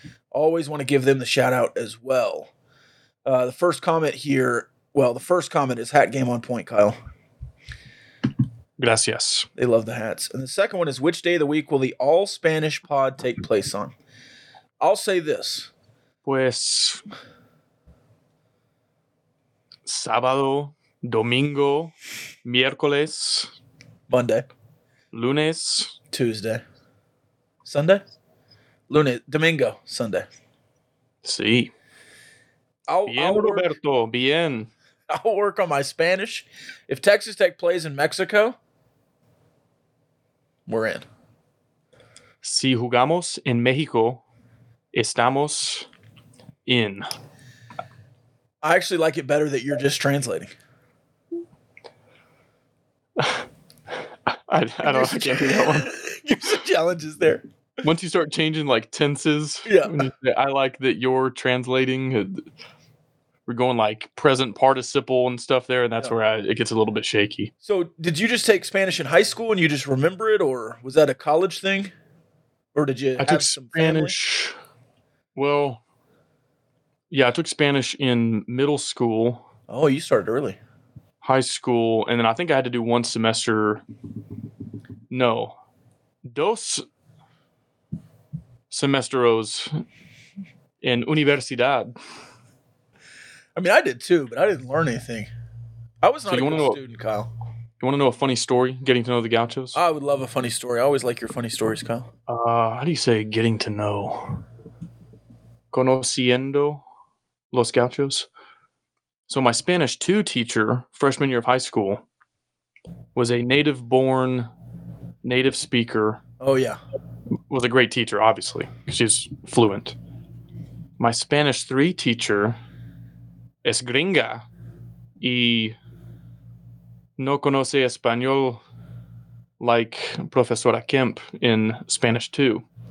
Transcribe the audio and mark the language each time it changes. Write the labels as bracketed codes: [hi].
[en] Always want to give them the shout out as well. The first comment here, well, the first comment is hat game on point, Kyle. [es] Gracias. [en] They love the hats. And the second one is, which day of the week will the all Spanish pod take place on? I'll say this. [es] Pues, sábado, domingo, miércoles, [en] Monday, [es] lunes, [en] Tuesday. Sunday? [es] Lunes. Domingo. [en] Sunday. [es] Sí. Roberto. Bien. [en] I'll work on my Spanish. If Texas Tech plays in Mexico, we're in. [es] Si jugamos en México, estamos in. [en] I actually like it better that you're just translating. I can't do that one. Give some challenges there. Once you start changing, like, tenses, yeah. When you say, I like that you're translating. We're going, like, present participle and stuff there, and that's yeah. where it gets a little bit shaky. So did you just take Spanish in high school and you just remember it, or was that a college thing? Or did you took some Spanish. Family? Well, yeah, I took Spanish in middle school. Oh, you started early. High school, and then I think I had to do one semester. [es] No. Dos semesteros in universidad. [en] I mean, I did too, but I didn't learn anything. I was not a good student, Kyle. You want to know a funny story, getting to know the Gauchos? I would love a funny story. I always like your funny stories, Kyle. How do you say getting to know? [es] Conociendo los Gauchos. [en] So my Spanish 2 teacher, freshman year of high school, was a native-born, native speaker. Oh, yeah. Was a great teacher, obviously, because she's fluent. My Spanish 3 teacher [es] es gringa y no conoce español [en] like Profesora Kemp in Spanish 2.